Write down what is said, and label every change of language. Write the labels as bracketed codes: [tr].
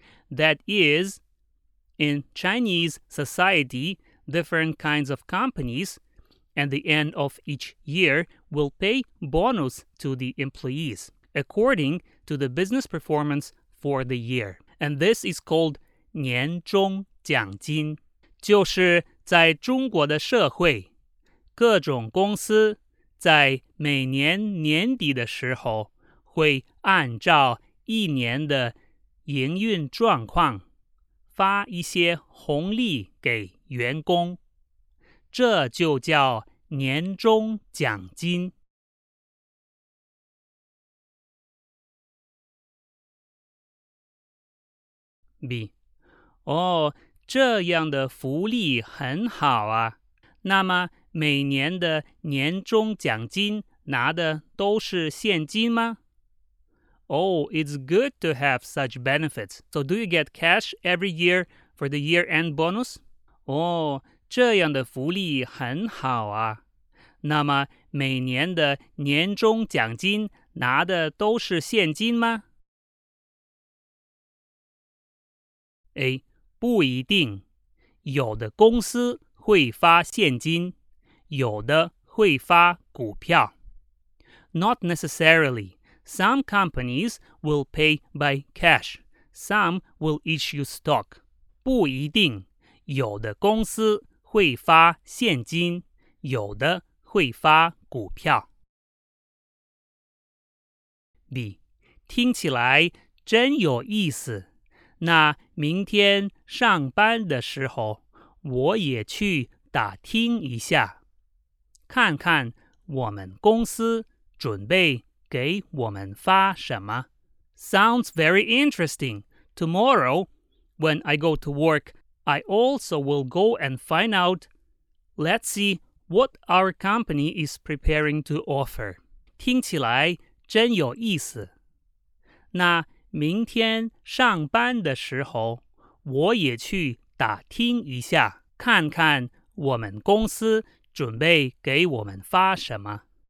[en] That is, in Chinese society, different kinds of companies at the end of each year will pay bonus to the employees according to the business performance for the year. And this is called 年终奖金。 [zh] 就是在中国的社会，各种公司在每年年底的时候会按照一年的营运状况发一些红利给员工，这就叫年终奖金。 B， 哦，这样的福利很好啊，那么每年的年终奖金拿的都是现金吗？ [en] Oh, it's good to have such benefits. So do you get cash every year for the year-end bonus? [zh] Oh, 这样的福利很好啊。那么每年的年终奖金拿的都是现金吗？ A. 不一定。有的公司会发现金，有的会发股票。 [en] Not necessarily. Some companies will pay by cash. Some will issue stock. [zh] 不一定，有的公司会发现金，有的会发股票。 B， 听起来真有意思。那明天上班的时候，我也去打听一下，看看我们公司准备给我们发什么。 [en] Sounds very interesting. Tomorrow, when I go to work, I also will go and find out. Let's see what our company is preparing to offer. [zh] 听起来真有意思。那明天上班的时候，我也去打听一下，看看我们公司准备给我们发什么。